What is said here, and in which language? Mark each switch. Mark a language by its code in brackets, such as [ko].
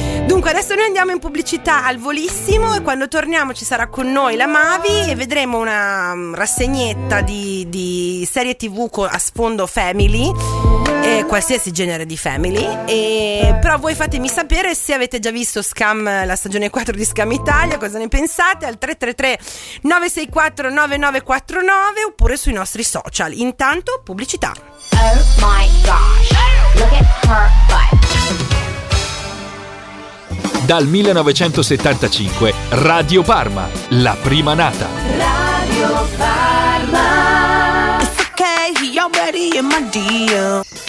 [it] Dunque adesso noi andiamo in pubblicità al volissimo e quando torniamo ci sarà con noi la Mavi e vedremo una rassegnetta di serie TV a sfondo family e qualsiasi genere di family. E però voi fatemi sapere se avete già visto Scam, la stagione 4 di Scam Italia, cosa ne pensate al 333 964 9949, oppure sui nostri social. Intanto pubblicità. [en] Oh my gosh, look at her butt. [it] Dal 1975 Radio Parma, la prima nata. Radio Parma. [en] It's okay, he already in my deal.